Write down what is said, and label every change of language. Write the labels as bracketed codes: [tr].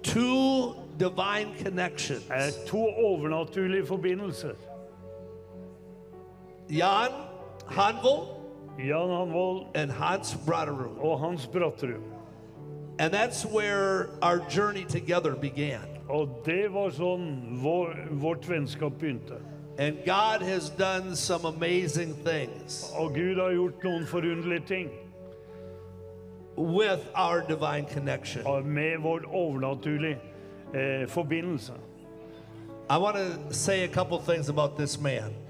[en] Two divine connections. [no] To overnaturlige forbindelser. [en] Jan Hanvold. [no] Jan Hanvold. [en] And Hans Brattrud. [no] Og Hans Brattrud. [en] And that's where our journey together began. [no] Og det var sånn vårt vennskap begynte. [en] And God has done some amazing things. [no] Og Gud har gjort noen forunderlige ting. [en] With our divine connection. [no] Og med vår overnaturlige forbindelse. [en] I want to say a couple things about this man.